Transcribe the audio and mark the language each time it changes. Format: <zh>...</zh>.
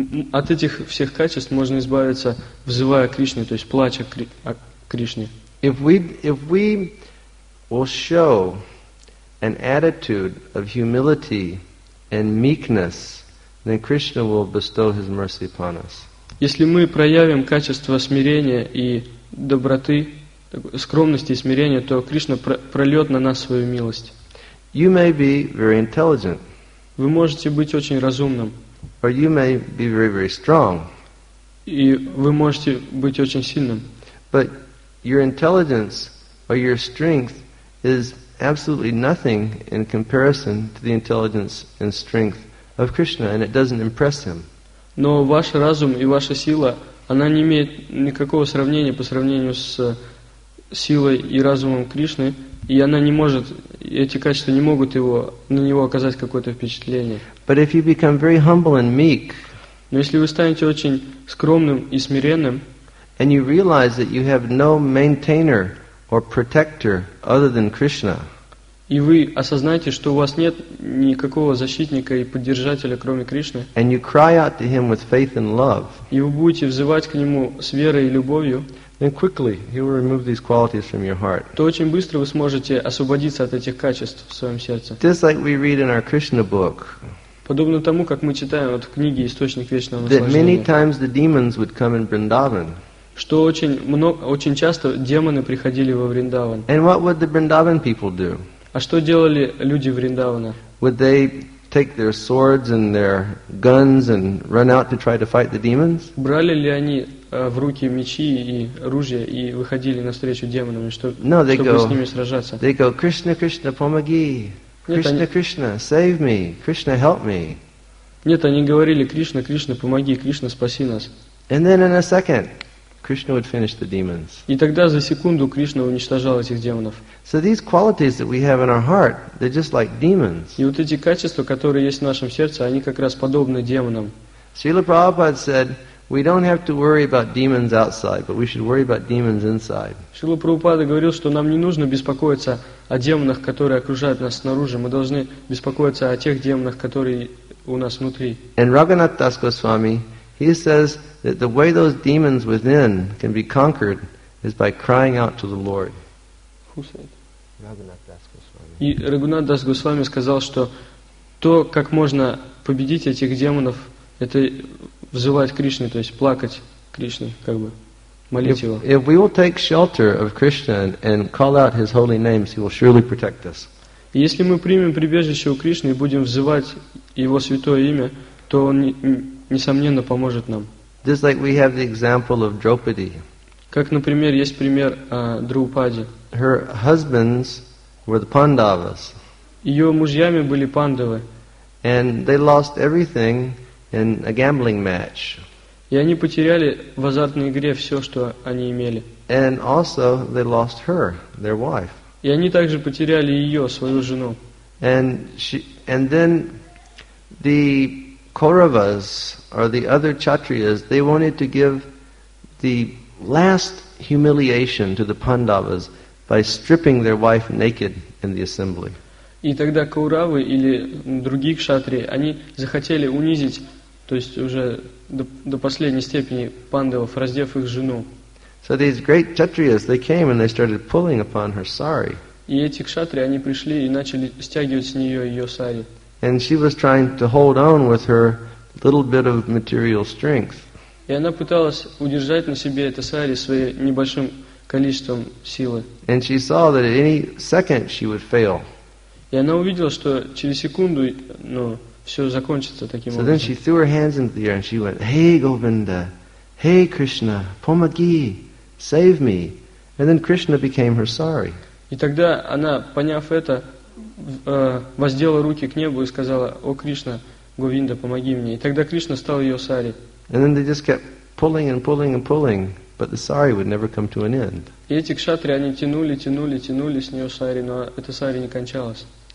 <ru>От этих всех качеств можно избавиться, взывая Кришне, то есть плача о Кришне.</ru> <en>If we will show an attitude of humility and meekness, then Krishna will bestow His mercy upon us.</en> <ru>Если мы проявим качество смирения и доброты, скромности и смирения, то Кришна прольет на нас свою милость.</ru> <en>You may be very intelligent.</en> <ru>Вы можете быть очень разумным.</ru> <en>Or you may be very, very strong.</en> <ru>И вы можете быть очень сильным.</ru> <en>But your intelligence or your strength is absolutely nothing in comparison to the intelligence and strength of Krishna, and it doesn't impress him.</en> <ru>Но ваш разум и ваша сила, она не имеет никакого сравнения по сравнению с силой и разумом Кришны. И она не может, эти качества не могут его, на него оказать какое-то впечатление.</ru> <en>But if you become very humble and meek,</en> <ru>но если вы станете очень скромным и смиренным,</ru> <en>and you realize that you have no maintainer or protector other than Krishna,</en> <ru>и вы осознаете, что у вас нет никакого защитника и поддержателя, кроме Кришны,</ru> <en>and you cry out to him with faith and love,</en> <ru>и вы будете взывать к нему с верой и любовью,</ru> <en>then quickly he will remove these qualities from your heart.</en> <ru>То очень быстро вы сможете освободиться от этих качеств в своем сердце.</ru> <en>Just like we read in our Krishna book.</en> <ru>Подобно тому, как мы читаем в книге «Источник вечного наслаждения».</ru> <en>That many times the demons would come in Vrindavan.</en> <ru>Что очень часто демоны приходили во Вриндаван.</ru> <en>And what would the Vrindavan people do?</en> <ru>А что делали люди Вриндавана?</ru> <en>Would they take their swords and their guns and run out to try to fight the demons?</en> <ru>Брали ли они в руки мечи и ружья и выходили навстречу демонам, чтобы с ними сражаться?</ru> <en>They go, Krishna, Krishna,</en> <ru>помоги!</ru> <en>Krishna, Krishna, save me! Krishna, help me!</en> <ru>Нет, они говорили, Кришна, Кришна, помоги! Кришна, спаси нас!</ru> <en>And then in a second, Krishna would finish the demons.</en> <ru>И тогда за секунду Кришна уничтожал этих демонов.</ru> <en>So these qualities that we have in our heart, they're just like demons.</en> <ru>И вот эти качества, которые есть в нашем сердце, они как раз подобны демонам.</ru> <en>Srila Prabhupada said, we don't have to worry about demons outside, but we should worry about demons inside.</en> <ru>Шрила Прабхупада говорил, что нам не нужно беспокоиться о демонах, которые окружают нас снаружи. Мы должны беспокоиться о тех демонах, которые у нас внутри.</ru> <en>And Raghunath Das Goswami, he says that the way those demons within can be conquered is by crying out to the Lord. Who said?</en> <ru>И Рагхунат Дас Госвами сказал, что то, как можно победить этих демонов, это взывать Кришне, то есть плакать Кришне, как бы молить его.</ru> <en>If we will take shelter of Krishna and call out His holy names, He will surely protect us.</en> <ru>Если мы примем прибежище у Кришны и будем взывать Его святое имя, то Он несомненно поможет нам.</ru> <en>Just like we have the example of Draupadi.</en> <ru>Как, например, есть пример Друупади.</ru> <en>Her husbands were the Pandavas.</en> <ru>Ее мужьями были Пандавы.</ru> <en>And they lost everything in a gambling match.</en> <ru>И они потеряли в азартной игре все, что они имели.</ru> <en>And also they lost her, their wife.</en> <ru>И они также потеряли ее, свою жену.</ru> <en>And she, and then the Kauravas or the other Kshatriyas, they wanted to give the last humiliation to the Pandavas by stripping their wife naked in the assembly.</en> <ru>И тогда Кауравы или другие кшатрии, они захотели унизить, то есть уже до последней степени Пандавов, раздев их жену.</ru> <en>So these great Kshatriyas, they came and they started pulling upon her sari.</en> <ru>И эти кшатрии, они пришли и начали стягивать с нее ее сари.</ru> <en>And she was trying to hold on with her little bit of material strength.</en> <ru>И она пыталась удержать на себе это сари своим небольшим количеством силы.</ru> <en>And she saw that at any second she would fail.</en> <ru>И она увидела, что через секунду, ну, все закончится таким образом.</ru> <en>So then she threw her hands into the air and she went, "Hey Govinda, hey Krishna,</en> <ru>pomagi,</ru> <en>save me." And then Krishna became her sari.</en> <ru>И тогда она, поняв это, воздела руки к небу и сказала: "О Кришна, Говинда, помоги мне." И тогда Кришна стал ее сари.</ru> <en>And then they just kept pulling and pulling and pulling, but the sari would never come to an end.</en> <ru>И эти кшатри, они тянули, тянули, тянули с нее сари, но эта сари не кончалась.</ru>